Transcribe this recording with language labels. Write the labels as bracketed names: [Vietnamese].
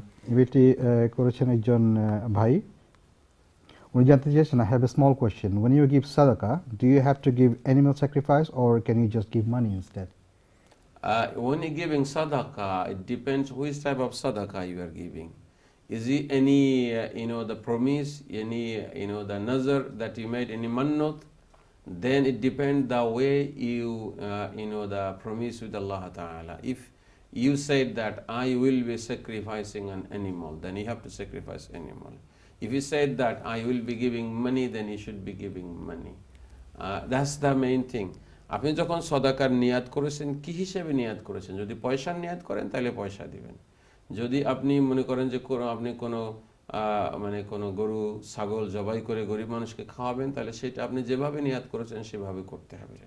[Bangla] ইমেলটি করেছেন একজন ভাই, উনি জানতে চেয়েছেন, [English] I have a small question, when you give sadaqah do you have to give animal sacrifice or can you just give money instead? When you giving sadaqah, it depends which type of sadaqah you are giving. Is it any, the promise, any, the nazar that you made, any mannot? Then it depends the way you, the promise with Allah Ta'ala. If you said that I will be sacrificing an animal, then you have to sacrifice animal. If you said that I will be giving money, then you should be giving money. That's the main thing. [Bangla] আপনি যখন সদাকার নিয়াত করেছেন, কি হিসেবে নিয়াত করেছেন? যদি পয়সার নিয়াত করেন, তাহলে পয়সা দিবেন। যদি আপনি মনে করেন যে আপনি কোনো কোনো গরু ছাগল জবাই করে গরিব মানুষকে খাওয়াবেন, তাহলে সেটা আপনি যেভাবে নিয়াত করেছেন সেভাবে করতে হবে।